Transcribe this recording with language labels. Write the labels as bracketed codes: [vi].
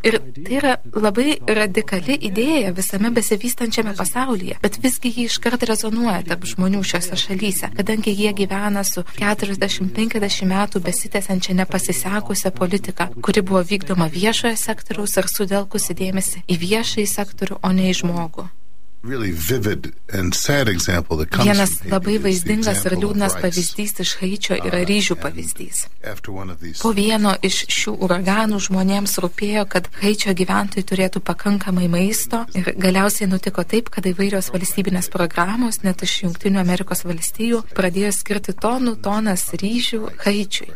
[lt] Ir tai yra labai radikali idėja visame besivystančiame pasaulyje. Bet visgi jį iškart rezonuoja tarp žmonių šiose šalyse, kadangi jie gyvena su 40-50 metų besitęsiančia nepasisekusią politiką, kuri buvo vykdoma viešojo sektoriaus ar sudelkusi dėmesį į viešąjį sektorių, o ne į žmogų. [en] Really vivid and sad example that comes [lt] Vienas labai vaizdingas ir liūdnas pavyzdys iš Haičio yra ryžių pavyzdys. Po vieno iš šių uraganų žmonėms rūpėjo, kad Haičio gyventojai turėtų pakankamai maisto ir galiausiai nutiko taip, kad įvairios valstybinės programos, net iš Jungtinių Amerikos valstijų, pradėjo skirti tonų tonas ryžių Haičiui.